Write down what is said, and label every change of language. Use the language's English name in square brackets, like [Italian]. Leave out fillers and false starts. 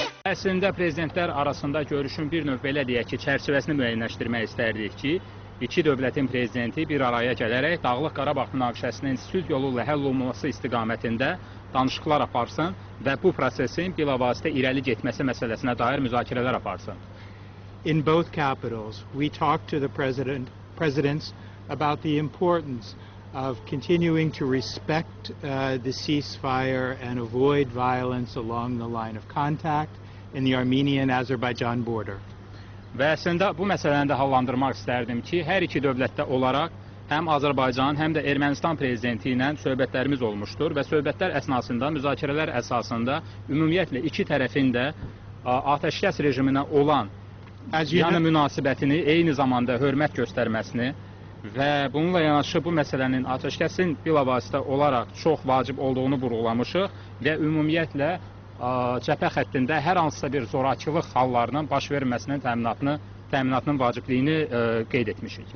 [Azerbaijani] Əslində prezidentlər arasında görüşün bir növ belə deyək ki, çərçivəsini müəyyənləşdirmək istərdik ki, İki dövlətin prezidenti bir araya gələrək Dağlıq Qarabağ münaqişəsinin sülh yolu ilə həll olunması istiqamətində danışıqlar aparsın və bu prosesin bilavasitə irəli getməsi məsələsinə dair müzakirələr aparsın. [English] In both capitals, we talked to the presidents about the importance of continuing to respect the ceasefire and avoid violence along the line of contact in the Armenian-Azerbaijan border. [Azerbaijani] Və əslində bu məsələni də hallandırmaq istərdim ki, hər iki dövlətdə olaraq həm Azərbaycan, həm də Ermənistan prezidenti ilə söhbətlərimiz olmuşdur və söhbətlər əsnasında, müzakirələr əsasında ümumiyyətlə iki tərəfin də atəşkəs rejiminə olan yəni münasibətini, eyni zamanda hörmət göstərməsini və bununla yanaşı bu məsələnin atəşkəsin bilavasitə olaraq çox vacib olduğunu vurğulamışıq və ümumiyyətlə cəbhə xəttində hər hansısa bir zorakılıq hallarının baş verməsinin təminatının vacibliyini qeyd etmişik.